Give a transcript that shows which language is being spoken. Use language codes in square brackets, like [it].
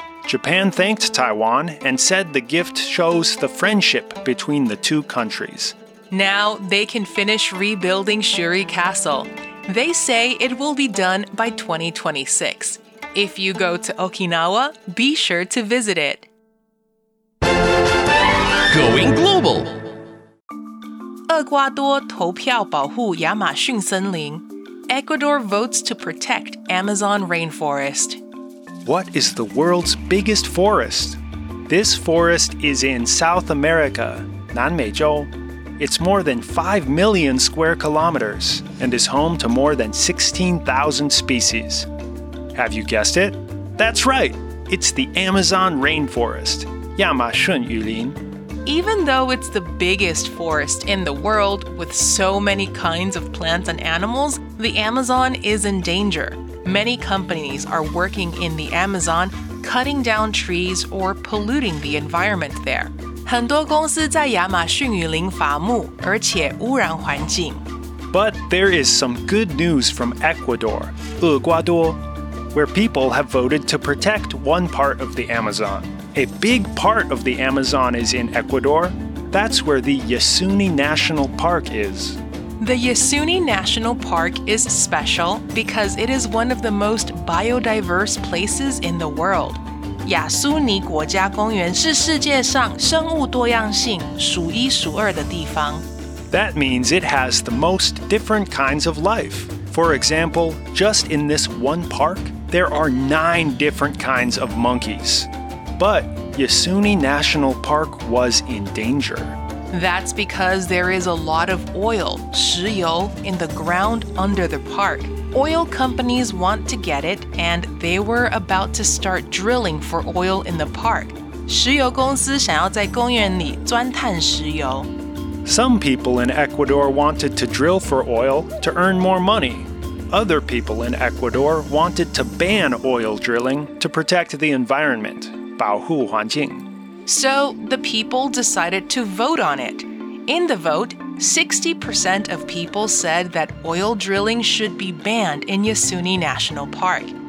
[en] Japan thanked Taiwan and said the gift shows the friendship between the two countries. Now they can finish rebuilding Shuri Castle. They say it will be done by 2026. If you go to Okinawa, be sure to visit it. Going global! [zh] 厄瓜多投票保护亚马逊森林。 [en] Ecuador votes to protect Amazon rainforest. What is the world's biggest forest? This forest is in South America, 南美洲. It's more than 5 million square kilometers and is home to more than 16,000 species. Have you guessed it? That's right! It's the Amazon rainforest, 亚马逊雨林。 Even though it's the biggest forest in the world, with so many kinds of plants and animals, the Amazon is in danger. Many companies are working in the Amazon, cutting down trees or polluting the environment there. [zh] 很多公司在亚马逊雨林伐木，而且污染环境。 [en] But there is some good news from Ecuador, 厄瓜多, where people have voted to protect one part of the Amazon. A big part of the Amazon is in Ecuador. That's where the Yasuni National Park is. The Yasuni National Park is special because it is one of the most biodiverse places in the world. [zh] Yasuni 国家公园是世界上生物多样性数一数二的地方。 [en] That means it has the most different kinds of life. For example, just in this one park, there are 9 different kinds of monkeys. But Yosuni National Park was in danger. That's because there is a lot of oil, 石油, in the ground under the park. Oil companies want to get it, and they were about to start drilling for oil in the park. [zh] 石油公司想要在公园里钻探石油。 [en] Some people in Ecuador wanted to drill for oil to earn more money. Other people in Ecuador wanted to ban oil drilling to protect the environment, [zh] 保护环境. [en] So the people decided to vote on it. In the vote, 60% of people said that oil drilling should be banned in Yosuni National Park.